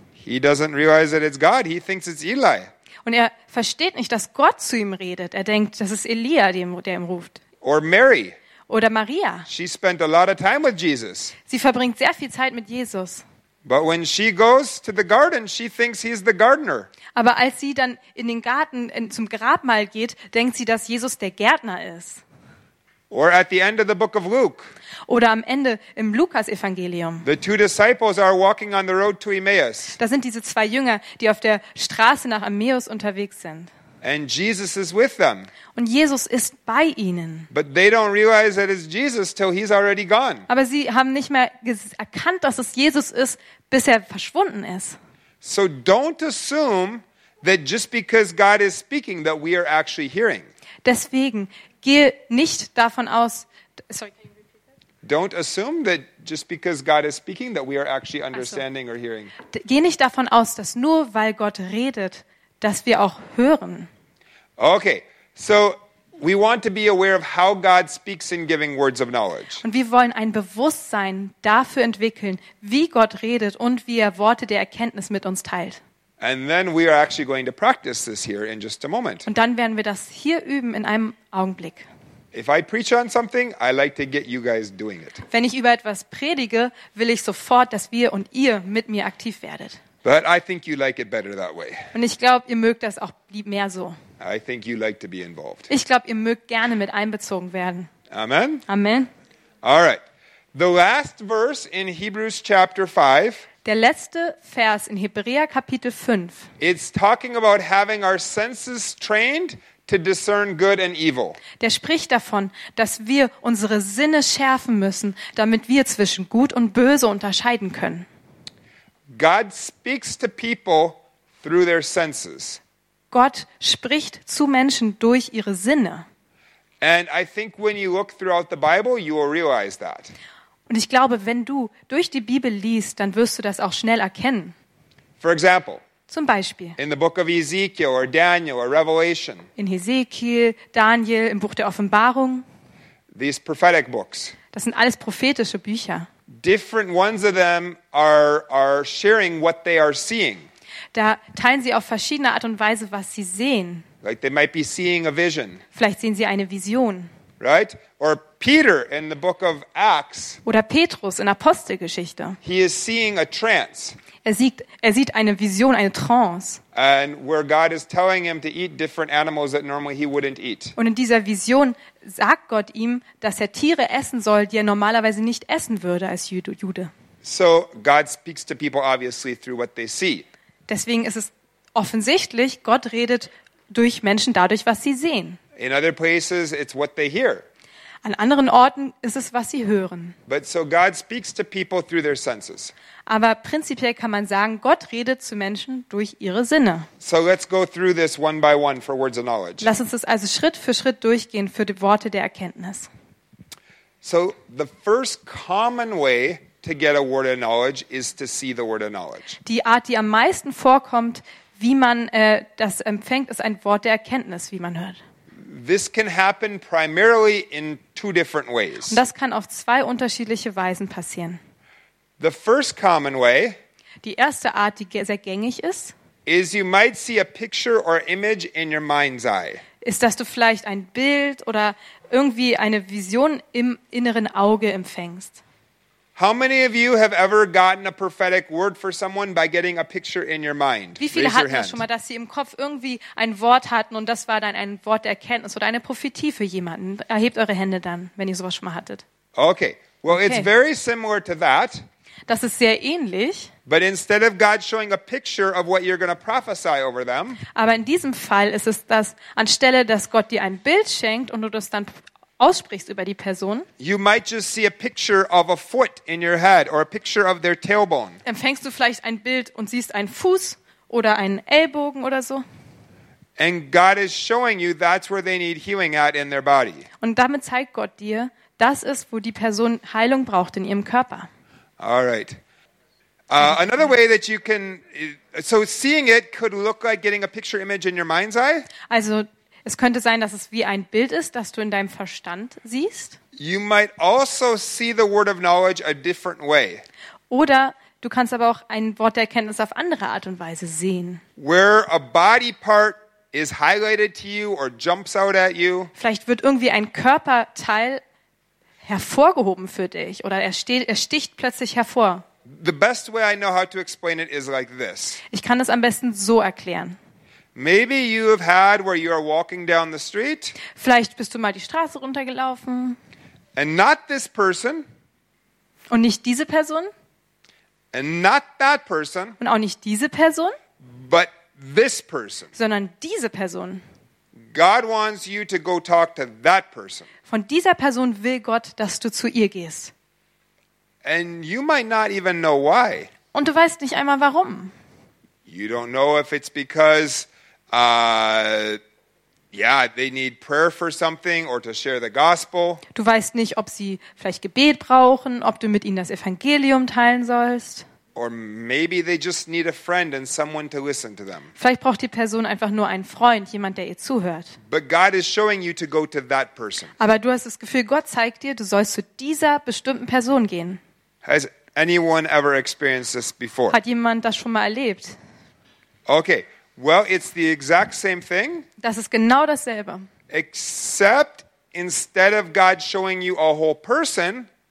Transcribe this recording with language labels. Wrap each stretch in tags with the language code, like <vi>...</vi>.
<en>He doesn't realize that it's God. He thinks it's Eli.</en> <de>Und er versteht nicht, dass Gott zu ihm redet. Er denkt, das ist Elia, der ihm ruft.</de> <en>Or Mary.</en> <de>Oder Maria.</de> <en>She spent a lot of time with Jesus.</en> <de>Sie verbringt sehr viel Zeit mit Jesus.</de> <en>But when she goes to the garden, she thinks he's the gardener.</en> <de>Aber als sie dann in den Garten zum Grabmal geht, denkt sie, dass Jesus der Gärtner ist.</de> <en>Or at the end of the book of Luke.</en> <de>Oder am Ende im Lukas-Evangelium.</de> <en>The two disciples are walking on the road to Emmaus.</en> <de>Da sind diese zwei Jünger, die auf der Straße nach Emmaus unterwegs sind.</de> <en>And Jesus is with them.</en> <de>Und Jesus ist bei ihnen.</de> <en>But they don't realize that it's Jesus till he's already gone.</en> <de>Aber sie haben nicht mehr erkannt, dass es Jesus ist, bis er verschwunden ist.</de> <en>So don't assume that just because God is speaking that we are actually hearing.</en> <de>Deswegen gehe nicht davon aus,</de> <en>sorry, can you repeat that? Don't assume that just because God is speaking that we are actually understanding or hearing.</en> <de>Geh nicht davon aus, dass nur weil Gott redet, dass wir auch hören.</de> <en>Okay, So we want to be aware of how God speaks in giving words of knowledge.</en> <de>Und wir wollen ein Bewusstsein dafür entwickeln, wie Gott redet und wie er Worte der Erkenntnis mit uns teilt.</de> <en>And then we are actually going to practice this here in just a moment.</en> <de>Und dann werden wir das hier üben in einem Augenblick.</de> <en>If I preach on something, I like to get you guys doing it.</en> <de>Wenn ich über etwas predige, will ich sofort, dass wir und ihr mit mir aktiv werdet.</de> <en>But I think you like it better that way.</en> <de>Und ich glaube, ihr mögt das auch mehr so.</de> <en>I think you like to be involved.</en> <de>Ich glaube, ihr mögt gerne mit einbezogen werden.</de> <en>Amen.</en> <de>Amen.</de> <en>All right. The last verse in Hebrews chapter 5.</en> <de>Der letzte Vers in Hebräer Kapitel 5.</de> <en>It's talking about having our senses trained to discern good and evil.</en> <de>Der spricht davon, dass wir unsere Sinne schärfen müssen, damit wir zwischen gut und böse unterscheiden können.</de> <en>God speaks to people through their senses.</en> <de>Gott spricht zu Menschen durch ihre Sinne.</de> <en>And I think when you look throughout the Bible, you will realize that.</en> <de>Und ich glaube, wenn du durch die Bibel liest, dann wirst du das auch schnell erkennen.</de> <en>For example,</en> <de>zum Beispiel</de> <en>in the book of Ezekiel or Daniel or Revelation.</en> <de>In Ezekiel, Daniel, im Buch der Offenbarung.</de> <en>These prophetic books.</en> <de>Das sind alles prophetische Bücher.</de> <en>Different ones of them are sharing what they are seeing.</en> <de>Da teilen sie auf verschiedene Art und Weise, was sie sehen.</de> <en>Like they might be seeing a vision.</en> <de>Vielleicht sehen sie eine Vision.</de> <en>Right? Or Peter in the book of Acts.</en> <de>Oder Petrus in Apostelgeschichte.</de> <en>He is seeing a trance.</en> <de>Er sieht eine Vision, eine Trance.</de> <en>And where God is telling him to eat different animals that normally he wouldn't eat.</en> <de>Und in dieser Vision sagt Gott ihm, dass er Tiere essen soll, die er normalerweise nicht essen würde als Jude.</de> <en>So God speaks to people obviously through what they see.</en> <de>Deswegen ist es offensichtlich, Gott redet durch Menschen dadurch, was sie sehen.</de> <en>In other places it's what they hear.</en> <de>An anderen Orten ist es, was sie hören.</de> <en>But so God speaks to people through their senses.</en> <de>Aber prinzipiell kann man sagen, Gott redet zu Menschen durch ihre Sinne.</de> <en>So let's go through this one by one for words of knowledge.</en> <de>Lass uns das also Schritt für Schritt durchgehen für die Worte der Erkenntnis.</de> <en>So the first common way to get a word of knowledge is to see the word of knowledge.</en> <de>Die Art, die am meisten vorkommt, wie man das empfängt, ist ein Wort der Erkenntnis, wie man hört.</de> <en>This can happen primarily in two different ways.</en> <de>Und das kann auf zwei unterschiedliche Weisen passieren.</de> <en>The first common way,</en> <de>die erste Art, die sehr gängig ist,</de> <en>is you might see a picture or image in your mind's eye.</en> <de>Ist, dass du vielleicht ein Bild oder irgendwie eine Vision im inneren Auge empfängst.</de> <en>How many of you have ever gotten a prophetic word for someone by getting a picture in your mind?</en> <de>Wie viele hatten das schon mal, dass sie im Kopf irgendwie ein Wort hatten und das war dann ein Wort der Erkenntnis oder eine Prophetie für jemanden? Erhebt eure Hände dann, wenn ihr sowas schon mal hattet.</de> <en>Okay. Well, it's very similar to that.</en> <de>Das ist sehr ähnlich.</de> <en>But instead of God showing a picture of what you're going to prophesy over them.</en> <de>Aber in diesem Fall ist es das, anstelle dass Gott dir ein Bild schenkt und du das dann aussprichst über die Person.</de> <en>You might just see a picture of a foot in your head or a picture of their tailbone.</en> <de>Empfängst du vielleicht ein Bild und siehst einen Fuß oder einen Ellbogen oder so?</de> <en>And God is showing you that's where they need healing at in their body.</en> <de>Und damit zeigt Gott dir, das ist, wo die Person Heilung braucht in ihrem Körper.</de> <en>All right. Another way that you can so seeing it could look like getting a picture image in your mind's eye?</en> <de>Also es könnte sein, dass es wie ein Bild ist, das du in deinem Verstand siehst.</de> <en>You might also see the word of knowledge a different way.</en> <de>Oder du kannst aber auch ein Wort der Erkenntnis auf andere Art und Weise sehen.</de> <en>Where a body part is highlighted to you or jumps out at you.</en> <de>Vielleicht wird irgendwie ein Körperteil hervorgehoben für dich oder er sticht plötzlich hervor.</de> <en>The best way I know how to explain it is like this.</en> <de>Ich kann es am besten so erklären.</de> <en>Maybe you have had where you are walking down the street.</en> <de>Vielleicht bist du mal die Straße runtergelaufen.</de> <en>And not this person.</en> <de>Und nicht diese Person.</de> <en>And not that person.</en> <de>Und auch nicht diese Person.</de> <en>But this person.</en> <de>Sondern diese Person.</de> <en>God wants you to go talk to that person.</en> <de>Von dieser Person will Gott, dass du zu ihr gehst.</de> <en>And you might not even know why.</en> <de>Und du weißt nicht einmal warum.</de> <en>You don't know if it's because they need prayer for something or to share the gospel.</en> <de>Du weißt nicht, ob sie vielleicht Gebet brauchen, ob du mit ihnen das Evangelium teilen sollst.</de> <en>Or maybe they just need a friend and someone to listen to them.</en> <de>Vielleicht braucht die Person einfach nur einen Freund, jemand, der ihr zuhört.</de> <en>But God is showing you to go to that person.</en> <de>Aber du hast das Gefühl, Gott zeigt dir, du sollst zu dieser bestimmten Person gehen.</de> <en>Has anyone ever experienced this before?</en> <de>Hat jemand das schon mal erlebt?</de> <en>Okay. Well, it's the exact same thing.</en> <de>Das ist genau dasselbe.</de> <en>Except instead of God showing you a whole person,</en>